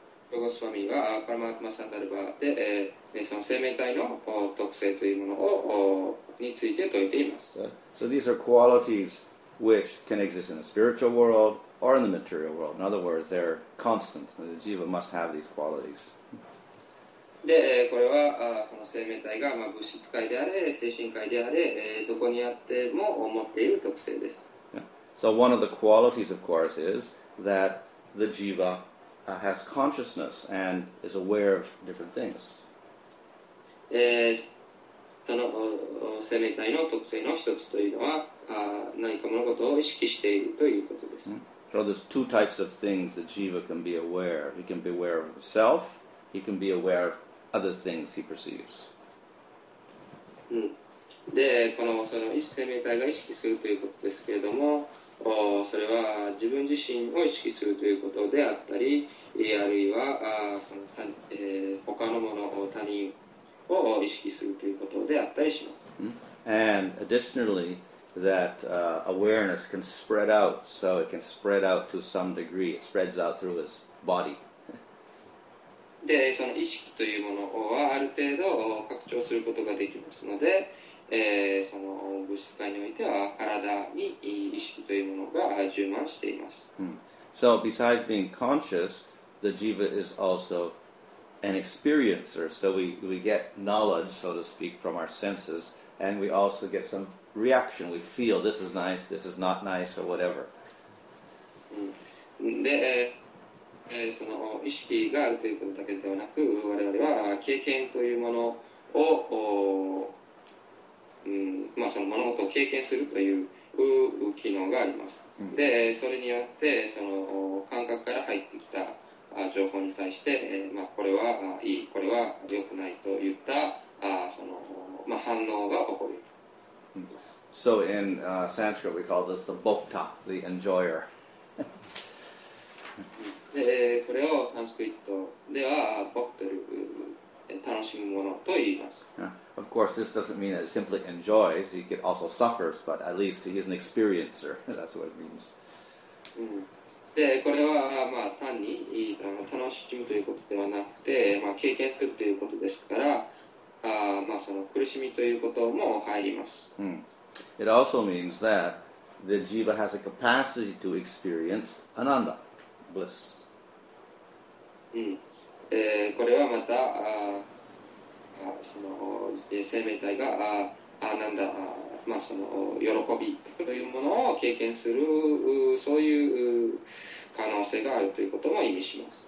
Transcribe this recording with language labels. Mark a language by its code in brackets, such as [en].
[ja] Goswami はパラマートマサンダルバで、その生命体の特性というものをについて説いています。 [en] So these are qualities which can exist in the spiritual world or in the material world. In other words, they're constant. The jiva must have these qualities. [ja] で、これはその生命体が物質界であれ、精神界であれ、どこにあっても持っている特性です。 [en] So one of the qualities, of course, is that the jiva has consciousness and is aware of different things. [ja] その生命体の特性の一つというのは、何か物事を意識しているということです。 [en] So there's two types of things that Jiva can be aware of. He can be aware of himself, he can be aware of other things he perceives. [ja] で、その生命体が意識するということですけれども、それは自分自身を意識するということであったり、あるいはその他のものを他人を意識するということであったりします。 [en] And additionally, that awareness can spread out, so it can spread out to some degree. It spreads out through his body. [ja] で、その意識というものはある程度拡張することができますので。その物質界においては体に意識というものが充満しています。 Mm. [en] So besides being conscious, the jiva is also an experiencer. So we get knowledge, so to speak, from our senses, and we also get some reaction. We feel this is nice, this is not nice, or whatever. [ja] で、その意識があるということだけではなく、我々は経験というものを。その物事を経験するという機能があります。で、それによってその感覚から入ってきた情報に対して、これはいい、これは良くないといったその反応が起こる。 [en] So in Sanskrit we call this the bhokta, the enjoyer. [ja] で、これをサンスクリットではボクトル、楽しむものと言います。 [en] Of course, this doesn't mean that he simply enjoys. He could also suffer, but at least he is an experiencer. That's what it means. [ja] で、これは、単に楽しむということではなくて、経験するということですから、その苦しみということも入ります。 [en] It also means that the jiva has a capacity to experience ananda, bliss. [ja] これはまた、その生命体がなんだ、その喜びというものを経験するそういう可能性があるということも意味します。